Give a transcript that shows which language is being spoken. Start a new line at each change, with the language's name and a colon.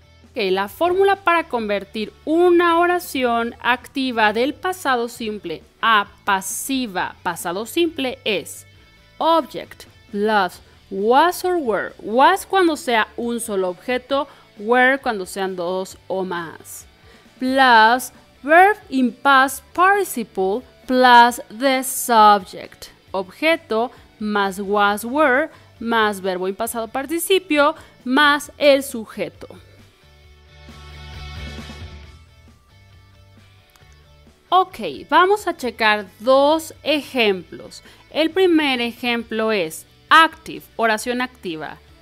Spanish: Okay, la fórmula para convertir una oración activa del pasado simple a pasiva pasado simple es
English: Object plus was or were.
Spanish: Was cuando sea un solo objeto, were cuando sean dos o más.
English: Plus verb in past participle plus the subject.
Spanish: Objeto más was, were, más verbo en pasado participio, más el sujeto. Ok, vamos a checar dos ejemplos. El primer ejemplo es active, oración activa.